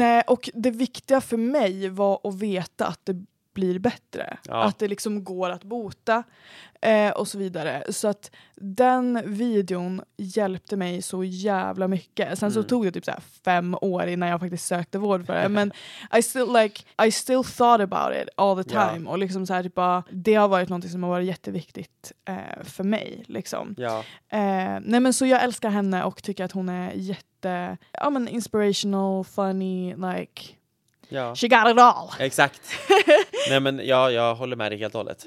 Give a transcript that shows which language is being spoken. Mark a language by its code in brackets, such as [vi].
[sv] Nej, och det viktiga för mig var att veta att det blir bättre. Ja. Att det liksom går att bota. Och så vidare. Så att den videon hjälpte mig så jävla mycket. Sen så tog det typ såhär 5 år innan jag faktiskt sökte vård för det. [en] Men I still thought about it all the time. [sv] Yeah. Och liksom såhär typ bara, det har varit någonting som har varit jätteviktigt för mig. Liksom. [en] Yeah. [sv] Nej, men så jag älskar henne och tycker att hon är jätte, ja, men [en] inspirational, funny, like, yeah, she got it all. [sv] Exakt. Nej, men jag håller med dig helt och hållet.